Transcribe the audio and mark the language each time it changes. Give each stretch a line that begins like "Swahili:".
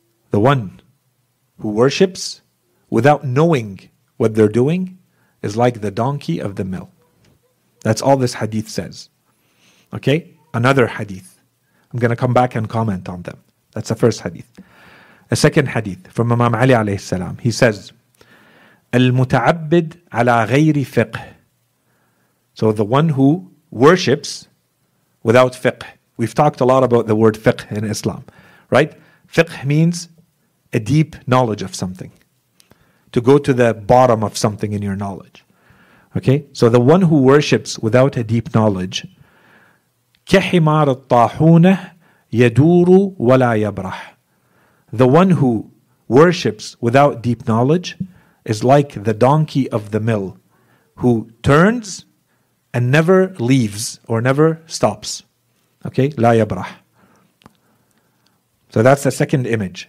English: The one who worships without knowing what they're doing is like the donkey of the mill. That's all this hadith says. Okay? Another hadith. I'm going to come back and comment on them. That's the first hadith. A second hadith from Imam Ali alayhi salam. He says,
Arabic: المتعبد على غير فقه.
English: So the one who worships without fiqh. We've talked a lot about the word fiqh in Islam, right? Fiqh means a deep knowledge of something, to go to the bottom of something in your knowledge. Okay, so the one who worships without a deep knowledge,
Arabic: كحمار الطاحونة يدور ولا يبرح.
English: The one who worships without deep knowledge is like the donkey of the mill, who turns and never leaves or never stops.
Arabic: Okay, لا يبرح.
English: So that's the second image.